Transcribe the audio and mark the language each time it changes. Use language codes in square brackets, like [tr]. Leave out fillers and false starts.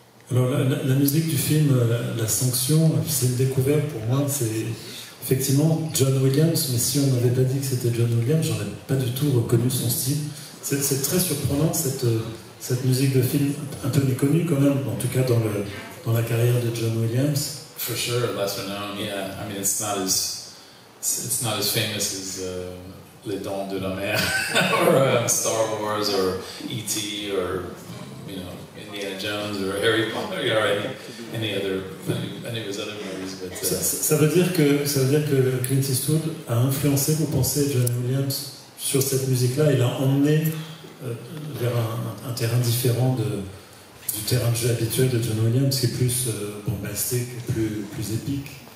[fr] Alors la musique du film La Sanction, c'est une découverte pour moi, c'est effectivement John Williams, mais si on n'avait pas dit que c'était John Williams, j'aurais pas du tout reconnu son style. C'est très surprenant, cette musique de film un peu méconnue quand même, en tout cas dans la carrière de John Williams. [en] For sure, lesser known. Yeah, I mean, it's not as famous as Les Dents de la Mer or Star Wars or E.T. or, you know, Indiana Jones or Harry Potter or any of his other movies. But [fr] ça veut dire que Clint Eastwood a influencé, vous pensez, John Williams sur cette musique-là. Il a emmené vers un terrain différent du terrain de jeu habituel de John Williams, qui est plus bombastique, plus épique.